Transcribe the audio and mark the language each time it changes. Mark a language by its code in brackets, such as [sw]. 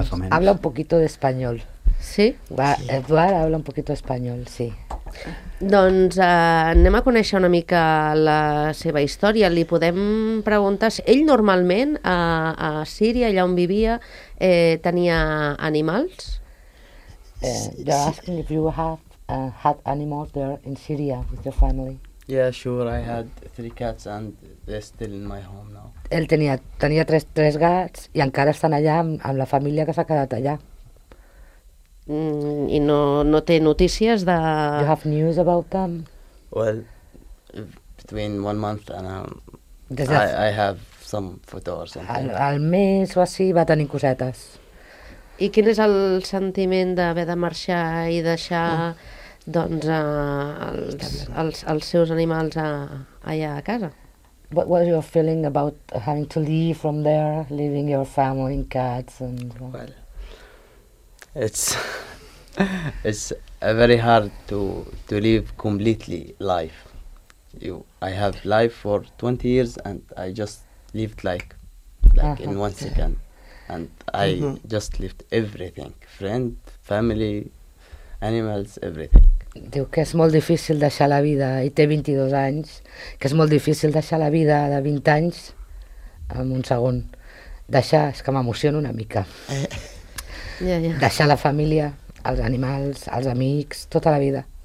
[es] Habla un poquito de español. Sí? Eduard habla un poquito de español, sí. [ca] Doncs anem a conèixer una mica la seva història. Li podem preguntar si ell normalment a Síria, allà on vivia, tenia animals? [en] You're asking if you had animals there in Syria with your family. Yeah, sure, I had 3 cats and they're still in my home now. [ca] Ell tenia tres gats i encara estan allà amb la família que s'ha quedat allà. I no té notícies de... [en] You have news about them? Well, between 1 month and I have some photos or something. [ca] Al mes o així va tenir cosetes. I quin és el sentiment d'haver de marxar i deixar... Doncs els seus animals allà a casa. [en] What was your feeling about having to leave from there, leaving your family and cats and well, it's a very hard to leave completely life. I have life for 20 years and I just lived like in 1 second and I just left everything, friend, family, animals, everything. [ca] Diu que és molt difícil deixar la vida, i té 22 anys, que és molt difícil deixar la vida de 20 anys en un segon. Deixar, és que m'emociona una mica. Deixar la família, els animals, els amics, tota la vida.